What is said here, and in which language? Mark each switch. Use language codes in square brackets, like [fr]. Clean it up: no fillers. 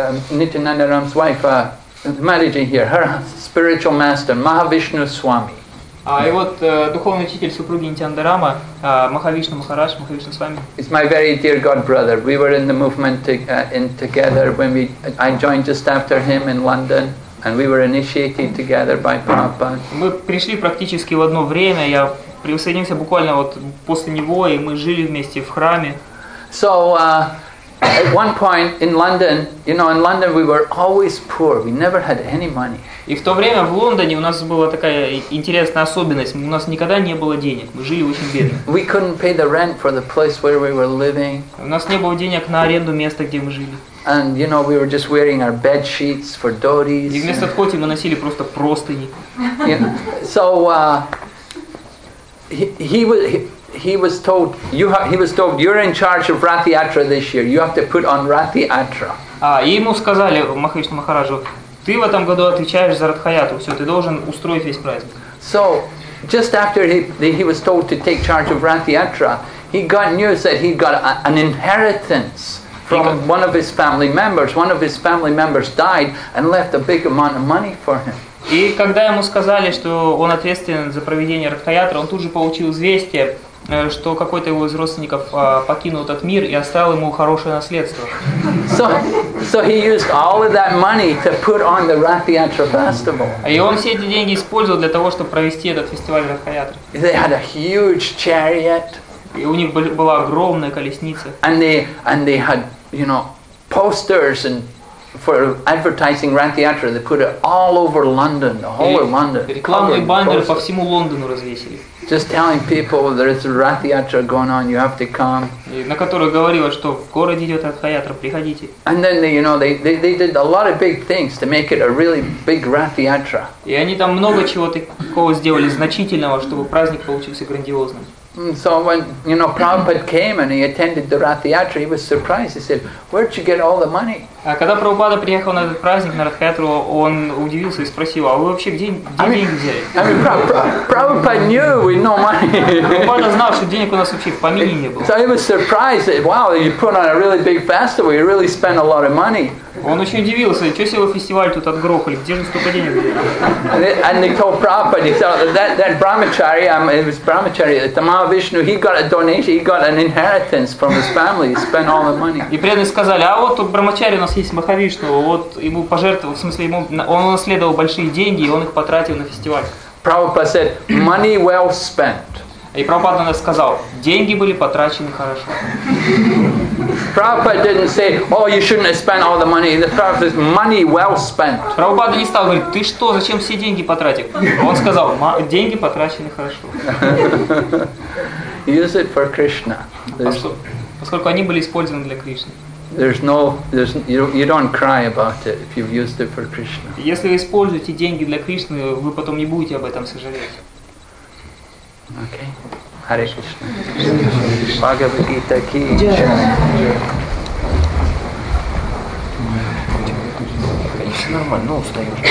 [en] Nityananda Ram's wife, Mataji here, her spiritual master, Mahavishnu Swami. [ru] И вот духовный учитель супруги Нитянанда Рама, Махавишну Махарадж, Махавишну Свами. [en] It's my very dear god brother. We were in the movement together when I joined just after him in London, and we were initiated together by Prabhupada. [ru] Мы пришли практически в одно время. Я присоединился буквально вот после него, и мы жили вместе в храме. [en] So at one point in London, you know, in London we were always poor. We never had any money. [ru] И в то время в Лондоне у нас была такая интересная особенность. У нас никогда не было денег. Мы жили очень бедно. [en] We couldn't pay the rent for the place where we were living. [ru] У нас не было денег на аренду места, где мы жили. [en] And you know, we were just wearing our bed sheets for dhotis. [ru] И вместо дхоти мы носили просто простыни. [en] Yeah. So he was told you're in charge of Rath Yatra this year. You have to put on Rath Yatra. [ru] И ему сказали Махавишну Махараджу, ты в этом году отвечаешь за Радхаяту, все, ты должен устроить весь праздник. [en] So, just after he was told to take charge of Rath Yatra, he got news that he got an inheritance from one of his family members. One of his family members died and left a big amount of money for him. [ru] И когда ему сказали, что он ответственен за проведение Радхаятры, он тут же получил известие, что какой-то его из родственников покинул этот мир и оставил ему хорошее наследство. [en] So he used all of that money to put on the Rath Yatra festival. [ru] И он все эти деньги использовал для того, чтобы провести этот фестиваль Рath Yatra. [en] They had a huge chariot. [ru] И у них была огромная колесница. [en] And they had, you know, posters and for advertising Ranthiyatra, they put it all over London, the whole of London. [ru] Рекламные баннеры по всему Лондону развесили. [en] Just telling people there is a Ranthiyatra going on, you have to come. [ru] На которую говорилось, что в городе идет Ранхиатра, приходите. [en] And then they, you know, they did a lot of big things to make it a really big Ranthiyatra. [ru] И они там много чего такого сделали значительного, чтобы праздник получился грандиозным. [en] So when, you know, Prabhupada came and he attended the Ranthiyatra, he was surprised. He said, "Where'd you get all the money?" [ru] А когда Прабхупада приехал на этот праздник на Ранхиатру, он удивился и спросил: "А вы вообще где деньги взяли?" [en] Prabhupada knew we had no money. [ru] Прабхупада знал, что денег у нас вообще в помине не было. [en] So he was surprised that, wow, you put on a really big festival, you really spent a lot of money. [ru] Он очень удивился: "Чего себе вы фестиваль тут отгрохали? Где же столько денег взяли?" [en] And they told Prabhupada, he said, that brahmachari, it was brahmachari, the Mahavishnu, he got a donation, he got an inheritance from his family, he spent all the money. [ru] И преданные сказали: "А вот тут брахмачари, у нас есть Махавишну, вот ему пожертвовал, в смысле, ему он унаследовал большие деньги, и он их потратил на фестиваль." [en] Prabhupada said, "Money well spent." [ru] И Прабхупада сказал: "Деньги были потрачены хорошо." [en] Prabhupada didn't say, "Oh, you shouldn't have spent all the money." The Prabhupada says, "Money well spent." [ru] Прабхупада не стал говорить: "Ты что, зачем все деньги потратил?" Он сказал: "Деньги потрачены хорошо." [en] Use it for Krishna. [ru] Поскольку они были использованы для Кришны. [en] You don't cry about it if you've used it for Krishna. [ru] Если вы используете деньги для Кришны, вы потом не будете об этом сожалеть. [en] Okay. Hare Krishna. Bhagavad Gita ki jai. [ru] Конечно, нормально, но устаёшь.